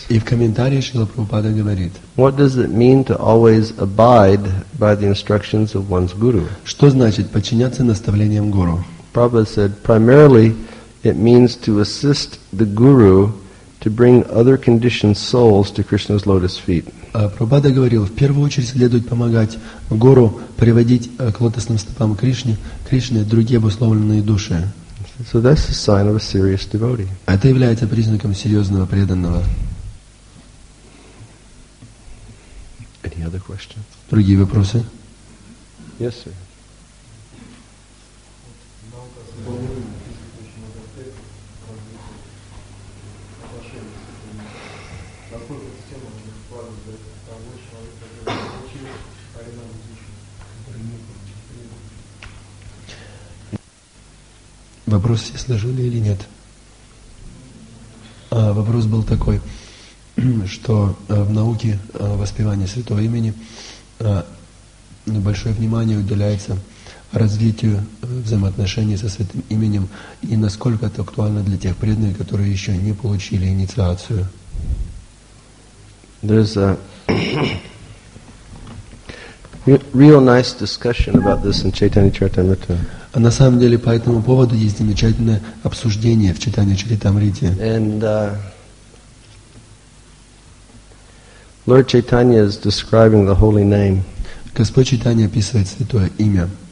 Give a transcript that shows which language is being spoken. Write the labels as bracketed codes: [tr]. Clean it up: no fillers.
[ru] и в комментарии Шрила Прабхупада говорит, [en] what does it mean to always abide by the instructions of one's guru? [ru] Что значит подчиняться наставлениям гуру? [en] Prabhupada said, primarily, it means to assist the guru to bring other conditioned souls to Krishna's lotus feet. [ru] Прабхупада говорил, в первую очередь следует помогать гуру приводить к лотосным стопам Кришне, Кришне другие обусловленные души. [en] So that's a sign of a serious devotee. [ru] Это является признаком серьезного преданного. [en] Any other questions? [ru] Другие вопросы? [en] Yes, sir. [ru] Вопрос все сложили или нет? А, вопрос был такой, что в науке воспевания святого имени большое внимание уделяется развитию взаимоотношений со святым именем и насколько это актуально для тех преданных, которые еще не получили инициацию. [en] There's a real nice discussion about this in Chaitanya Charitamrita. [ru] А на самом деле по этому поводу есть замечательное обсуждение в читании Чаритамрите. [en] And Lord Chaitanya is describing the holy name. [ru] Господь Чайтанья описывает святое имя.